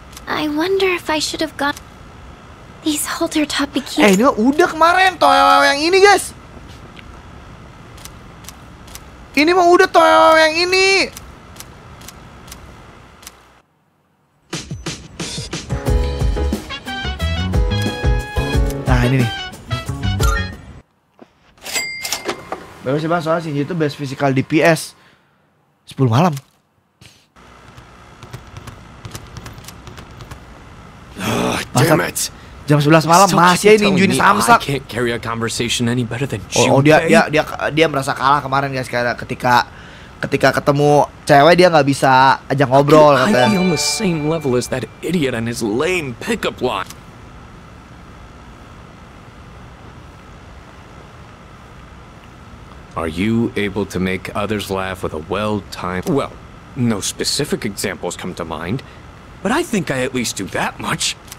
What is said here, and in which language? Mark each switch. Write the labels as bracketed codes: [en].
[en] I wonder if I should have got these halter top bikini. [id] Ini mah udah kemarin toyo yang ini, guys. Ini mah udah toyo yang ini. Nah, ini nih. Bagus sih bang, soalnya Shinji itu best physical DPS 10 malam. Masa, [en] damn it. [id] Jam 11 malam masih aja ninjuin Samsak. [en] I can't carry a conversation any better than Junpei. [id] Oh, dia merasa kalah kemarin, guys, karena ketika ketemu cewek dia enggak bisa ajak ngobrol katanya. [en] I'm on the same level as that idiot and his lame pickup line. Are you able to make others laugh with a well-timed... Well, no specific examples come to mind, but I think I at least do that much.